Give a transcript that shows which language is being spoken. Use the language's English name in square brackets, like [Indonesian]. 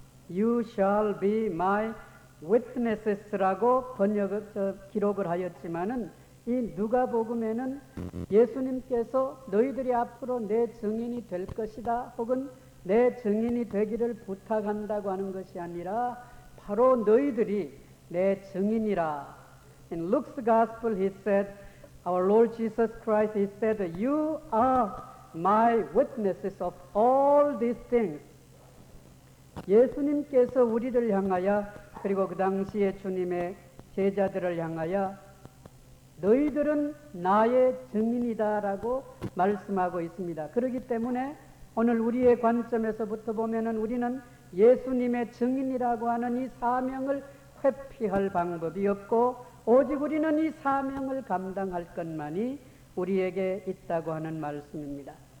[English] You shall be my witnesses [Korean] 라고 기록을 하였지만은 이 누가복음에는 예수님께서 너희들이 앞으로 내 증인이 될 것이다 혹은 내 증인이 되기를 부탁한다고 하는 것이 아니라 바로 너희들이 내 증인이라. [English] In Luke's Gospel he said, Our Lord Jesus Christ, he said, You are My witnesses of all these things. [Korean] 예수님께서 우리를 향하여 그리고 그 당시에 주님의 제자들을 향하여 너희들은 나의 증인이다 라고 말씀하고 있습니다. 그렇기 때문에 오늘 우리의 관점에서부터 보면은 우리는 예수님의 증인이라고 하는 이 사명을 회피할 방법이 없고 오직 우리는 이 사명을 감당할 것만이 우리에게 있다고 하는 말씀입니다.